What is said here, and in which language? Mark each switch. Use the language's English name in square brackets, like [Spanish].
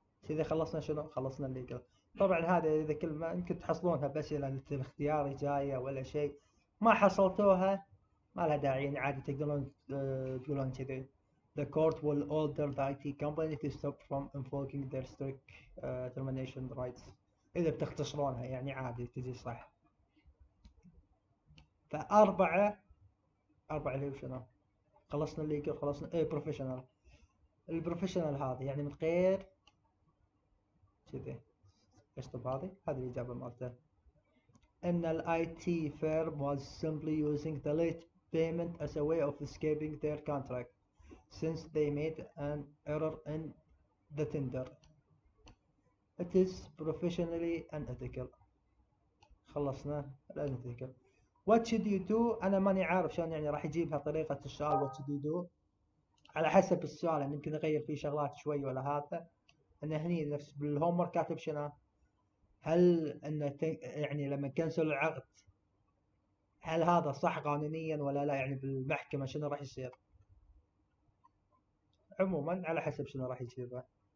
[Arabic] إذا خلصنا شنو؟ خلصنا الليجل. طبعا هذا إذا كلمة يمكن تحصلونها بس إذا الاختيار جاية ولا شيء، ما حصلتوها ما لها داعي، يعني عادي تقدرون تقولون كذي [English] the court will order the IT company to stop from invoking their strict termination rights [Arabic] إذا بتختصرونها، يعني عادي تجي صح. فأربعة أربعة اللي هو شنو؟ خلصنا الليجل، خلصنا إيه بروفيشنال. البروفيشنال هذه يعني من غير كذي إيش طب هذه الإجابة مالته. [English] إن الـ IT firm was simply using the late payment as a way of escaping their contract since they made an error in the tender. It is professionally unethical. [Arabic] خلصنا الأنثيكل. [English] What should you do؟ [Arabic] أنا ماني عارف شلون يعني راح يجيبها طريقة السؤال [English] what should you do؟ [Arabic] على حسب السؤال يعني يمكن أغير فيه شغلات شوي ولا هذا. أنا هني نفس بالهومور كاتب شنو؟ هل أن يعني لما كنسل العقد هل هذا صح قانونيا ولا لا، يعني بالمحكمة شنو راح يصير؟ عموما على حسب شنو راح يجيبها.